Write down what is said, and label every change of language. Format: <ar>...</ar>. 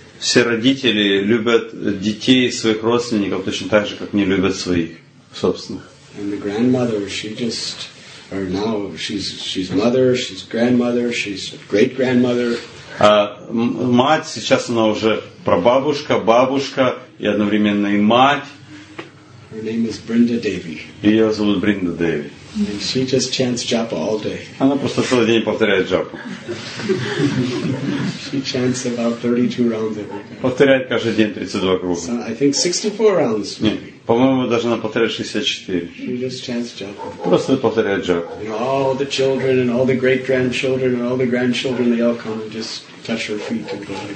<ru>Все родители любят детей своих родственников точно так же, как не любят своих собственных.</ru> <en>And the grandmother, she just, or now she's mother, she's grandmother, she's great grandmother.</en> <ru>А мать сейчас она уже прабабушка, бабушка и одновременно и мать.</ru> <en>Her name is Brinda Devi.</en> <ru>Ее зовут Бринда Деви.</ru> <en>And she just chants japa all day.</en> <ru>Она просто целый день повторяет джапу.</ru> <en>She chants about 32 rounds every day.</en> <ru>Повторяет каждый день 32 круга.</ru> <en>So, I think 64 rounds.</en> <ru>Нет, по-моему, даже она повторяет 64.</ru> <en>She just chants japa.</en> <ru>Просто повторяет джапу.</ru> <en>And all the children and all the great-grandchildren and all the grandchildren, they all come and just touch her feet and go.</en>